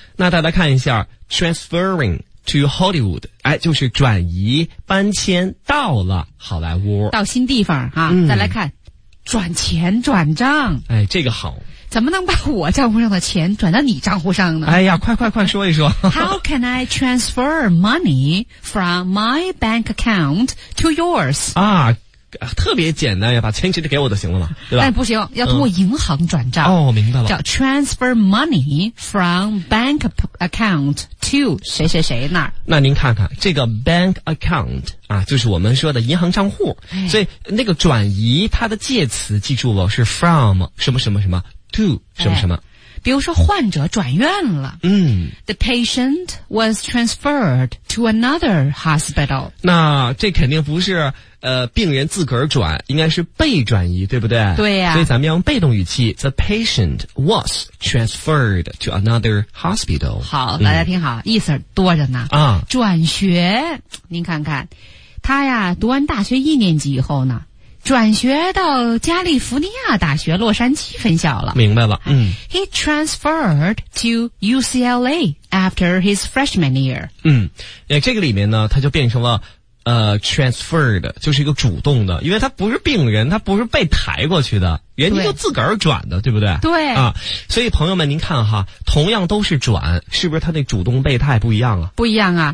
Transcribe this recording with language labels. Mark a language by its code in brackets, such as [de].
[zh] 那大家看一下 [en] transferring to Hollywood， [zh] 哎，就是转移搬迁到了好莱坞，到新地方啊。嗯，再来看转钱转账，哎，这个好，怎么能把我账户上的钱转到你账户上呢？哎呀，快快快说一说。 [en] How can I transfer money from my bank account to yours？ [zh] 啊，特别简单呀，把钱直接给我就行了嘛，对吧？哎，不行，要通过银行转账。嗯，哦，明白了。叫 [en] transfer money from bank account to [zh] 谁谁谁那儿。那您看看这个 bank account 啊，就是我们说的银行账户。哎，所以那个转移它的介词记住了，是 from 什么什么什么。 to 什么什么，比如说患者转院了，嗯 [en] ，the patient was transferred to another hospital。 [zh] 那这肯定不是病人自个儿转，应该是被转移，对不对？对呀。所以咱们要用被动语气 [en] ，the patient was transferred to another hospital。 [zh] 好，大家听好，意思多着呢啊。转学，您看看，他呀，读完大学一年级以后呢。转学到加利福尼亚大学洛杉矶分校了。明白了。嗯。 [en] He transferred to UCLA after his freshman year。 [zh] 嗯。这个里面呢他就变成了transferred， 就是一个主动的，因为他不是病人，他不是被抬过去的，人家就自个儿转的， 对不对？对。啊，所以朋友们您看哈，同样都是转，是不是他那主动被抬不一样啊？不一样啊。